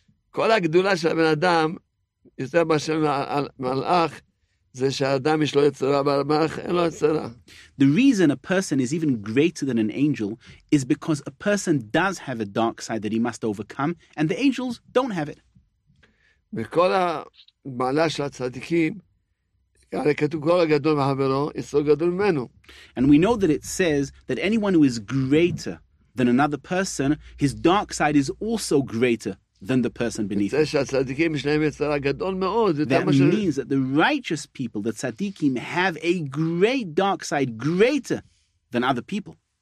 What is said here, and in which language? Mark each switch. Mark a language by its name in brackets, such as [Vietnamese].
[Hebrew] כל הגדולה של בן אדם יותר מאשר מלאך זה שהאדם יש לו יצרה מלאך אין לו יצרה. [English] The reason a person is even greater than an angel is because a person does have a dark side that he must overcome and the angels don't have it. [Hebrew] בכל המעלה של הצדיקים כתוב כל הגדול מחברו יצרו גדול ממנו. [English] And we know that it says that anyone who is greater than another person, his dark side is also greater than the person beneath him. That means that the righteous people, the tzaddikim, have a great dark side, greater than other people.